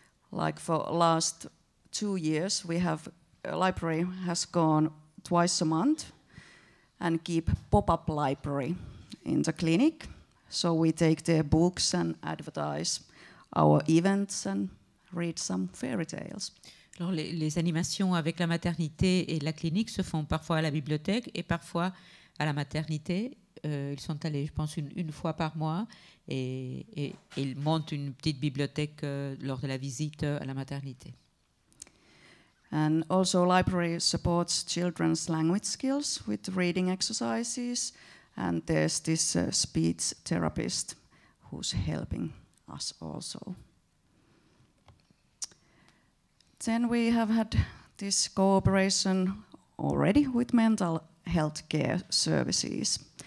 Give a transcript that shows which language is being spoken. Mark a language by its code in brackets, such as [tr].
[en] Like for last 2 years, we have a library has gone twice a month and keep pop-up library in the clinic. So we take their books and advertise our events and read some fairy tales. [fr] Alors les animations avec la maternité et la clinique se font parfois à la bibliothèque et parfois à la maternité. Ils sont allés, je pense, une fois par mois et ils montent une petite bibliothèque lors de la visite à la maternité. [en] And also library supports children's language skills with reading exercises. And there's this speech therapist who's helping us also. Then we have had this cooperation already with mental health care services.